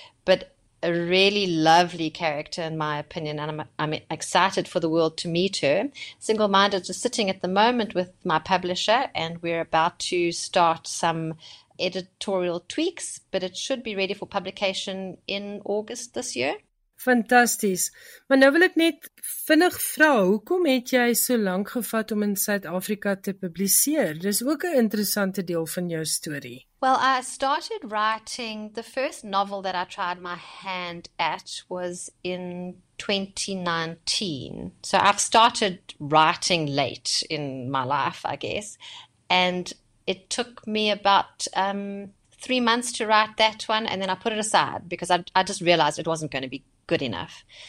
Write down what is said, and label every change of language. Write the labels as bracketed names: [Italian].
[English] But a really lovely character, in my opinion, and I'm excited for the world to meet her. Single Minded is sitting at the moment with my publisher, and we're about to start some editorial tweaks, but it should be ready for publication in August this year. [Afrikaans] Fantasties. Maar nou wil ek net vinnig vra, hoekom het jy so lank gevat om in Suid-Afrika te publiseer? Dis ook 'n interessante deel van jou story. [English] Well, I started writing, the first novel that I tried my hand at was in 2019. So I've started writing late in my life, I guess. And it took me about 3 months to write that one, and then I put it aside because I just realized it wasn't going to be good enough.